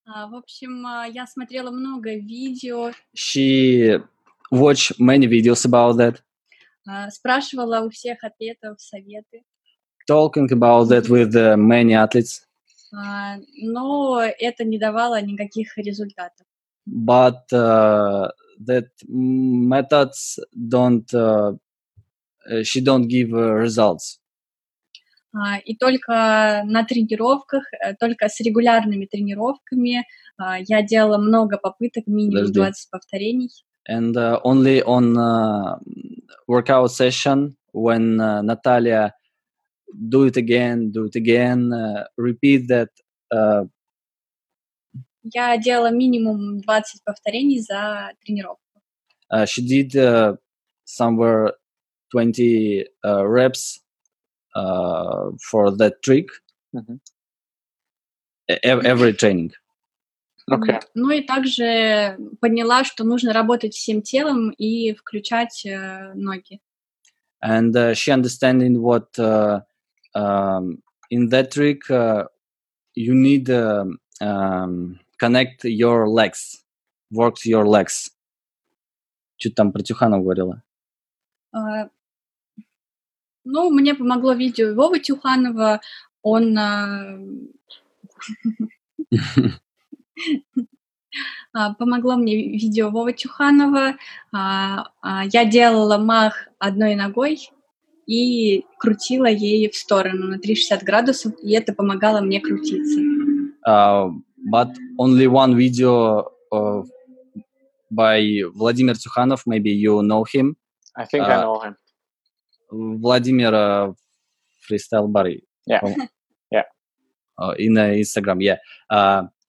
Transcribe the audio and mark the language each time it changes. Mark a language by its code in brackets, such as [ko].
[ru] В общем, я смотрела много видео. [en] She watched many videos about that. [ru] Спрашивала у всех атлетов советы. [en] Talking about that with many athletes. [ru] Но это не давало никаких результатов. [en] But that methods don't she don't give results. [ru] И только на тренировках, только с регулярными тренировками я делала много попыток, минимум 20 повторений. [en] And only on workout session when Natalia do it again, repeat that. [ru] Я делала минимум 20 повторений за тренировку. [en] She did somewhere 20 reps for that trick. Mm-hmm. Every training. Okay. [ru] Ну и также поняла, что нужно работать всем телом и включать ноги. [en] And she understanding what in that trick you need connect your legs, work your legs. [ru] Что-то там про Тюханова говорила. Ну, мне помогло видео Вовы Тюханова, он помогло мне видео Вовы Тюханова, я делала мах одной ногой и крутила ей в сторону на 360 градусов, и это помогало мне крутиться. [en] But only one video by Vladimir Tsukhanov, maybe you know him. I think I know him. Vladimir Freestyle Barry. Yeah. In Instagram, yeah.